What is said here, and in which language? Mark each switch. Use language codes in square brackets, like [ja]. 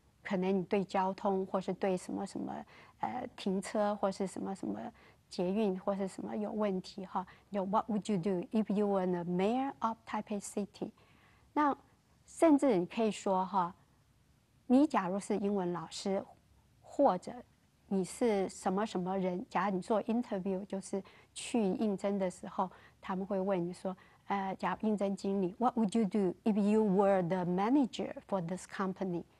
[zh] 可能你对交通，或是对什么什么，停车，或是什么什么捷运，或是什么有问题哈？ [en] 就 What would you do if you were the Mayor of Taipei City？ [zh] 那甚至你可以说哈，你假如是英文老师，或者你是什么什么人，假如你做 interview 就是去应征的时候。他们会问你说，假如应征经理 [en] ，What would you do if you were the manager for this company？